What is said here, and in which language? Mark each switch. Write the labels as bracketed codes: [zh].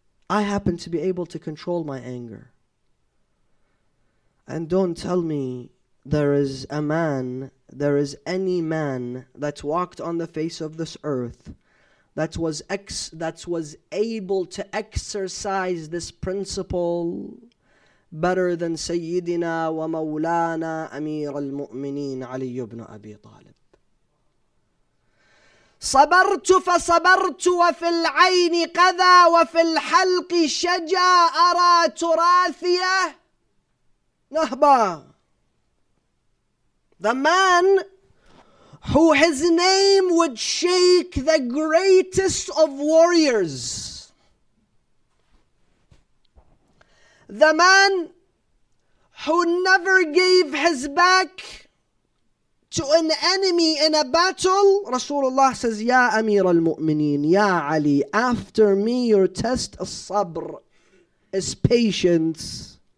[en] I happen to be able to control my anger. And don't tell me there is any man that walked on the face of this earth that was able to exercise this principle better than Sayyidina wa Mawlana Amir al-Mu'mineen Ali ibn Abi Talib. [ar] صبرت فصبرت وفي العين قذى وفي الحلق شجى أرى تراثية نهبا. [en] The man who his name would shake the greatest of warriors. The man who never gave his back to an enemy in a battle, Rasulullah says, Ya Amir al-Mu'mineen, Ya Ali, after me your test is sabr, is patience.